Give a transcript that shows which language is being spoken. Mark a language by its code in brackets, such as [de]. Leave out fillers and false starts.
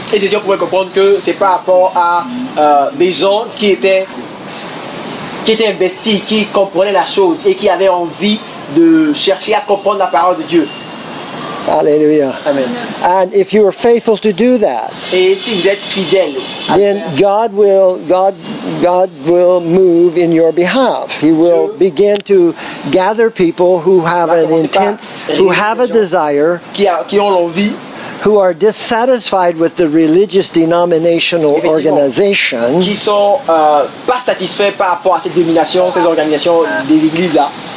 [fr] Et c'est sûr que vous pouvez comprendre que c'est par rapport à des gens qui étaient investis, qui comprenaient la chose et qui avaient envie de chercher à comprendre la parole de Dieu. Alléluia. Amen. [en] And if you are faithful to do that, [fr] et si vous êtes fidèle, [en] then God will move in your behalf. He will begin to gather people who have an intent, who have a desire, [fr] qui ont l'envie, [en] who are dissatisfied with the religious denominational organization, [fr] qui sont pas satisfaits par rapport à cette domination, ces organisations des églises là.